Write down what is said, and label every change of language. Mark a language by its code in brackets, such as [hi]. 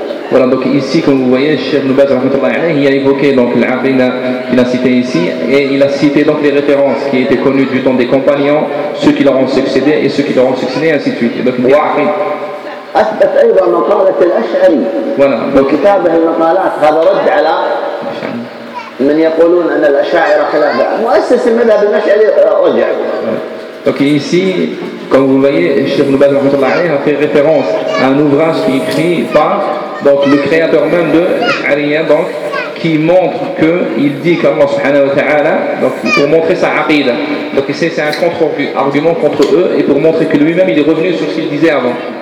[fr] Voilà, donc ici, comme vous voyez, Cheikh Nubaz, il a évoqué donc l'Aqida qu'il a cité ici, et il a cité donc les références qui étaient connues du temps des compagnons, ceux qui leur ont succédé et ceux qui leur ont succédé, ainsi de suite. Et donc, [ar] أثبت أيضا مقالة الأشعري وكتابه المقالات هذا رد على من يقولون أن الأشاعرة خلاف مؤسس المذهب الأشعري رجع. [fr] Donc ici, comme vous voyez, Cheikh Nubaz rahmatullah a fait référence à un ouvrage qui est écrit par donc, le créateur même de l'Ash'ariya, donc qui montre qu'il dit qu'Allah subhanahu wa ta'ala, donc, pour montrer sa aqida. Donc c'est un contre-argument contre eux et pour montrer que lui-même il est revenu sur ce qu'il disait avant.